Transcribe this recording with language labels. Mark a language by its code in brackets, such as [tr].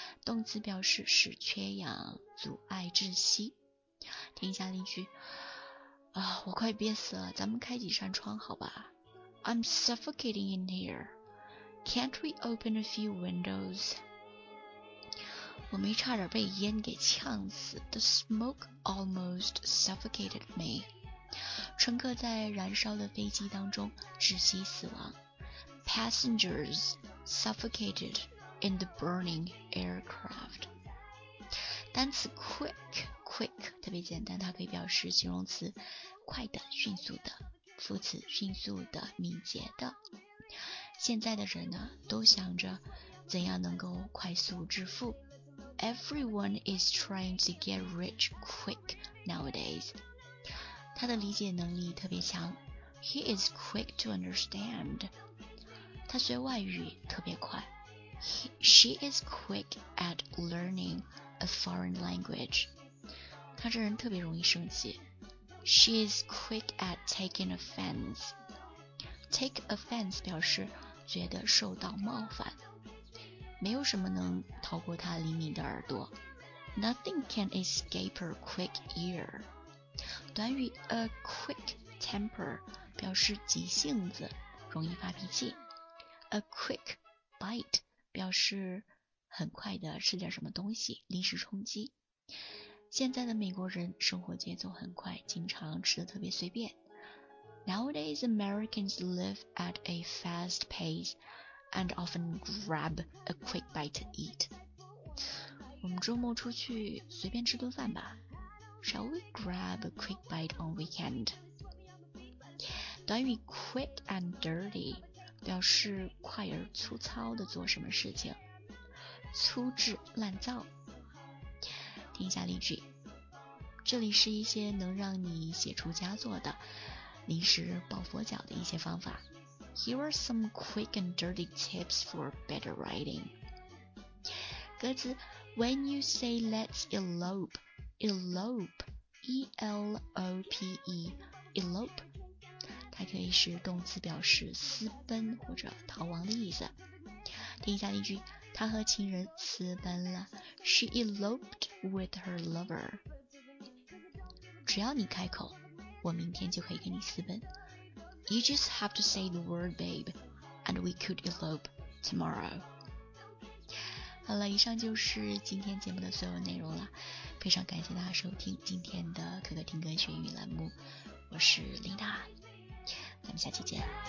[zh] 动词表示使缺氧阻碍窒息。听一下例句。啊，我快憋死了，咱们开几扇窗好吧。 [en] I'm suffocating in here. Can't we open a few windows? [zh] 我没差点被烟给呛死。 [en] The smoke almost suffocated me. [zh] 乘客在燃烧的飞机当中窒息死亡。 [en] Passengers suffocated in the burning aircraft. [zh] 单词 quick, 特别简单，它可以表示形容词快的、迅速的。副词迅速的、敏捷的。现在的人呢，都想着怎样能够快速致富。 [en] Everyone is trying to get rich quick nowadays. [zh] 他的理解能力特别强。 [en] He is quick to understand. [zh] 他学外语特别快。 [en] She is quick at learning a foreign language. [zh] 他这人特别容易生气。 [en] She is quick at taking offense. [zh] Take offense 表示觉得受到冒犯。没有什么能逃过她灵敏的耳朵。 [en] Nothing can escape her quick ear. [zh] 短语 a quick temper 表示急性子，容易发脾气。 A quick bite 表示很快的吃点什么东西，临时冲击。现在的美国人生活节奏很快，经常吃得特别随便。 [en] Nowadays, Americans live at a fast pace and often grab a quick bite to eat. [zh] 我们周末出去随便吃顿饭吧。 [en] Shall we grab a quick bite on weekend? [zh] 短语 quick and dirty 表示快而粗糙的做什么事情。粗制滥造。听一下例句，这里是一些能让你写出佳作的临时抱佛脚的一些方法。 [en] Here are some quick and dirty tips for better writing. [zh] 歌词 [en] When you say let's elope, elope, [zh] E-L-O-P-E, elope, 它可以是动词表示私奔或者逃亡的意思。听一下例句，她和情人私奔了。 [en] She eloped with her lover. [zh] 只要你开口，我明天就可以跟你私奔。 [en] You just have to say the word, babe, and we could elope tomorrow. [zh] 好了，以上就是今天节目的所有内容了。非常感谢大家收听今天的可可听歌学英语栏目，我是琳达，咱们下期见。